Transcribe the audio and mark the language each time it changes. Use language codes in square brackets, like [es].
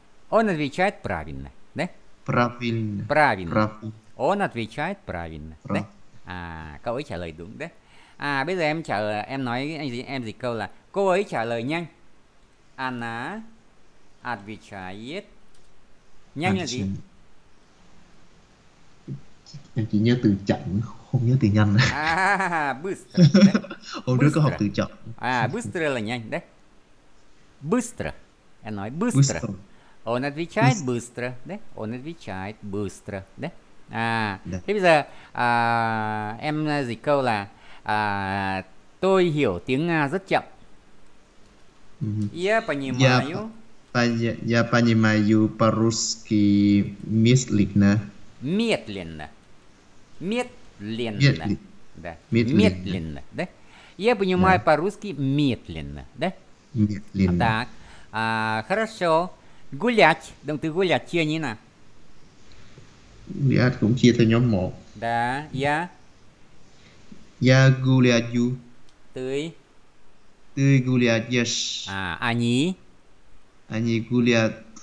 [ru] Он отвечает правильно, да? Правильно. Правильно. Правильно. Он отвечает правильно. Да? [vi] А, câu ấy trả lời đúng, да? А, bây giờ em nói anh gì, em dịch câu là cô ấy trả lời nhanh. [ru] Она отвечает. [vi] Nhanh là gì? Em chỉ nhớ từ chậm, không nhớ từ nhanh. [ru] À, быстро. [vi] Hôm trước có học từ chậm. À, быстро là nhanh, да? Быстро. Em nói быстро. [ru] Он отвечает быстро, да? Он отвечает быстро, да? А, да. [vi] Thế bây giờ, à, em dịch câu là à, tôi hiểu tiếng Nga rất chậm. [ru] Я понимаю. Я понимаю по-русски медленно. Медленно. Медленно. Медленно, да? Я понимаю по-русски медленно, да? Медленно. Так, а, хорошо. Гулять. [vi] Đồng từ гулять chia như nào? Гулять cũng chia theo nhóm 1. [ru] Да. Я? Я гуляю. Ты? Ты гуляешь. А, они? Они гуляют.